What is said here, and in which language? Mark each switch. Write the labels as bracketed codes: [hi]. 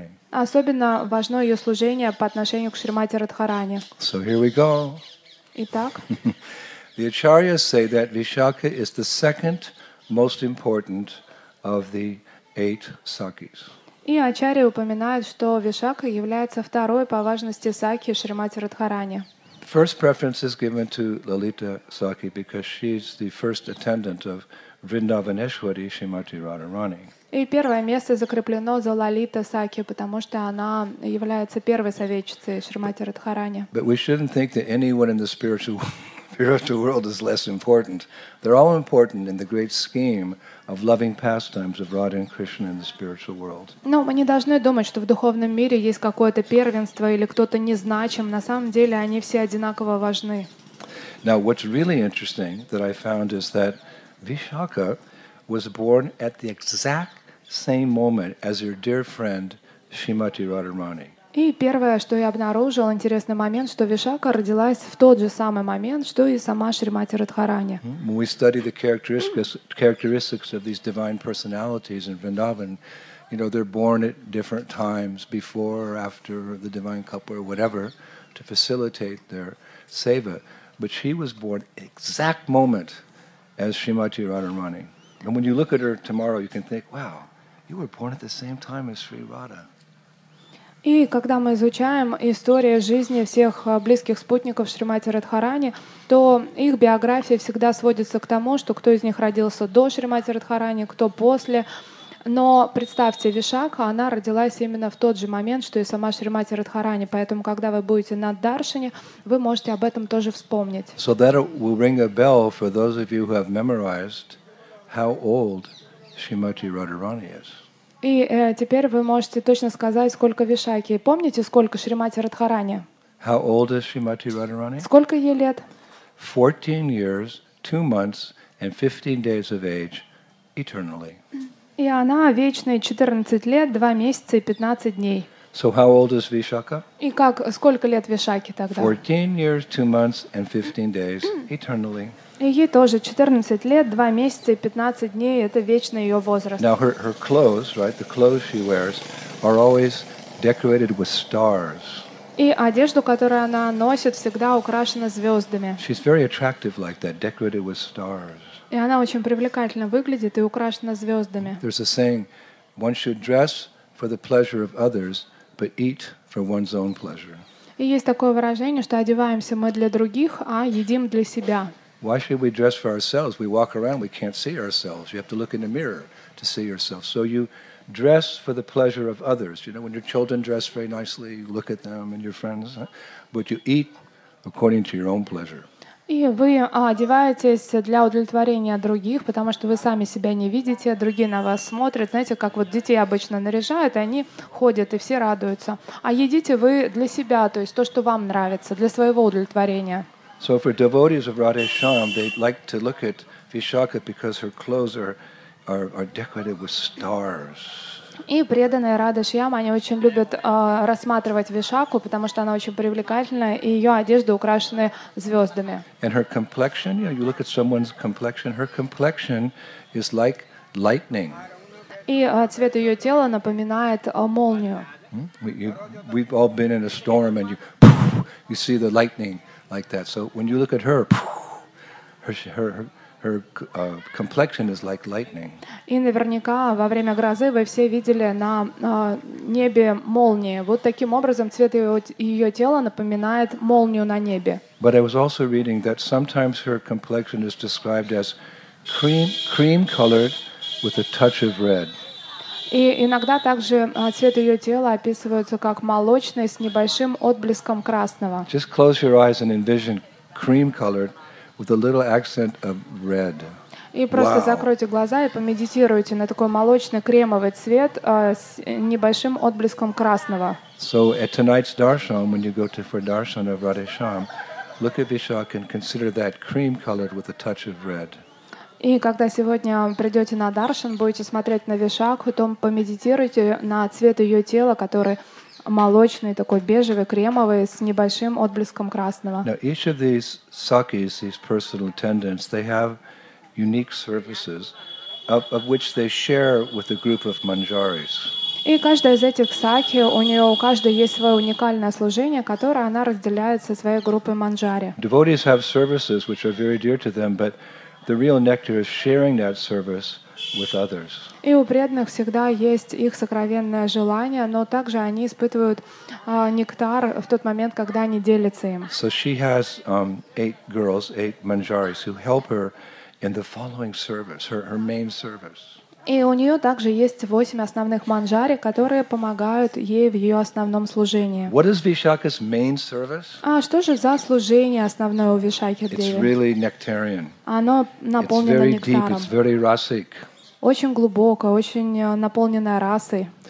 [ru] Особенно важно ее служение по отношению к Шримати Радхарани. [en] So here we go. [ru] Итак. [en] The acharyas say that Vishakha is the second most important of the eight sakhis. [ru] И ачарьи упоминают, что Вишакха является второй по важности сакхи Шримати Радхарани. [en] First preference is given to Lalita Sakhi because she's the first attendant of Vrindavaneshwari Shrimati Radharani. [ru] И первое место закреплено за Лалита Сакхи, потому что она является первой советчицей Шримати Радхарани. [en] But we shouldn't think that anyone in the spiritual world is less important. They're all important in the great scheme of loving pastimes of Radha and Krishna in the spiritual world. [ru] Но мы не должны думать, что в духовном мире есть какое-то первенство или кто-то незначим. На самом деле они все одинаково важны. [en] Now, what's really interesting that I found is that Vishakha was born at the exact same moment as her dear friend Srimati Radharani. [ru] И первое, что я обнаружил, интересный момент, что Вишакха родилась в тот же самый момент, что и сама Шримати Радхарани. [en] When we study the characteristics of these divine personalities in Vrindavan, you know, they're born at different times, before or after the divine couple or whatever, to facilitate their seva. But she was born exact moment as Srimati Radharani. And when you look at her tomorrow, you can think, wow, you were born at the same time as Sri Radha. [ru] И когда мы изучаем историю жизни всех близких спутников Шримати Радхарани, то их биография всегда сводится к тому, что кто из них родился до Шримати Радхарани, кто после. Но представьте, Вишакха, она родилась именно в тот же момент, что и сама Шримати Радхарани. Поэтому, когда вы будете на даршане, вы можете об этом тоже вспомнить. [en] So that will ring a bell for those of you who have memorized how old Srimati Radharani is. [ru] И теперь вы можете точно сказать, сколько Вишакхи. Помните, сколько Шримати Радхарани? [en] How old is Srimati Radharani? [ru] Сколько ей лет? [en] 14 years, 2 months, and 15 days of age, eternally. [ru] И она вечная 14 лет, 2 месяца и 15 дней. [en] So how old is Vishakha? [ru] И как сколько лет Вишакхе тогда? [en] 14 years, 2 months and 15 days eternally. [ru] И ей тоже 14 лет, 2 месяца и 15 дней это вечный её возраст. [en] Now her clothes, right? The clothes she wears are always decorated with stars. [ru] И одежду, которую она носит, всегда украшена звёздами. [en] She's very attractive like that, decorated with stars. [ru] И она очень привлекательно выглядит и украшена звёздами. [en] There's a saying, one should dress for the pleasure of others, but eat for one's own pleasure. [ru] И есть такое выражение, что одеваемся мы для других, а едим для себя. [en] Why should we dress for ourselves? We walk around, we can't see ourselves. You have to look in the mirror to see yourself. So you dress for the pleasure of others. You know, when your children dress very nicely, you look at them and your friends, but you eat according to your own pleasure. [ru] И вы одеваетесь для удовлетворения других, потому что вы сами себя не видите, другие на вас смотрят. Знаете, как вот детей обычно наряжают, и они ходят, и все радуются. А едите вы для себя, то есть то, что вам нравится, для своего удовлетворения. [en] So for devotees of Radhe Shyam, they like to look at Vishakha because her clothes are decorated with stars. [ru] И преданные Радхе Шьям, они очень любят рассматривать Вишакху, потому что она очень привлекательна, и ее одежда украшена звездами. [en] And her complexion, you know, you look at someone's complexion, her complexion is like lightning. [ru] И цвет ее тела напоминает молнию. [en] We've all been in a storm, and you see the lightning like that. So when you look at her, her complexion is like lightning. [ru] И наверняка во время грозы вы все видели на небе молнии. Вот таким образом цвет её тела напоминает молнию на небе. [en] But I was also reading that sometimes her complexion is described as cream colored with a touch of red. [ru] И иногда также цвет её тела описывается как молочный с небольшим отблеском красного. [en] Just close your eyes and envision cream colored with a little accent of red. [ru] И просто закройте глаза и помедитируйте на такой молочно-кремовый цвет с небольшим отблеском красного. [en] So at tonight's darshan, when you go to for darshan of Radhe Shyam, look at Vishakha and consider that cream-colored with a touch of red. [ru] И когда сегодня придете на даршан, будете смотреть на Вишакху, то помедитируйте на цвет ее тела, который молочный, такой бежевый, кремовый, с небольшим отблеском красного. [en] Now, each of these sakis, these personal attendants, they have unique services, of which they share with a group of manjaris. [ru] И каждая из этих саки, у нее у каждой есть свое уникальное служение, которое она разделяет со своей группой манджари. [en] Devotees have services which are very dear to them, but the real nectar is sharing that service with others. [ru] И у преданных всегда есть их сокровенное желание, но также они испытывают нектар в тот момент, когда они делятся им. [en] So she has eight girls, eight manjaris who help her in the following service, her main service. [ru] И у неё также есть восемь основных манджари, которые помогают ей в её основном служении. [en] What is Vishakha's main service? [ru] А что же за служение основное у Вишакхи Деви? [en] It's really nectarian. [ru] Оно наполнено нектаром. [en] It's very deep, it's very rasic. [ru] Очень глубокая, очень наполненная расой.